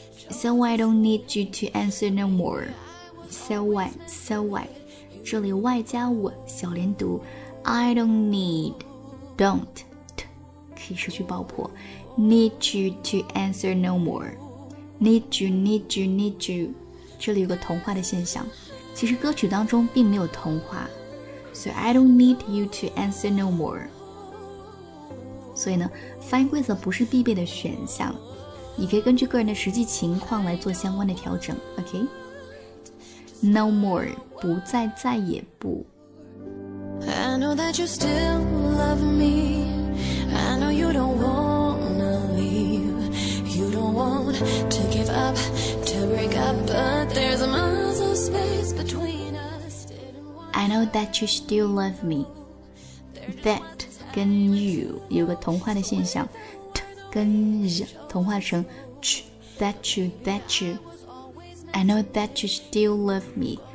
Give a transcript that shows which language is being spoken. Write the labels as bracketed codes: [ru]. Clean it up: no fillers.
[en] So I don't need you to answer no more. So why? [zh] 这里 why 加我小连读。 [en] I don't need, don't, t, 可以失去爆破 Need you to answer no more. Need you. [zh] 这里有个童话的现象，其实歌曲当中并没有童话。 [en] So I don't need you to answer no more. [zh] 所以呢，发音规则不是必备的选项，你可以根据个人的实际情况来做相关的调整。OK? No more, 不再，再也不。 [en] I know that you still love me. I know you don't wanna leave. You don't want to give up, to break up. But there's miles of space between us. I know that you still love me. [zh] That 跟 you 有个同化的现象 ，t 跟 z 同化成 ch. [en] That you. I know that you still love me.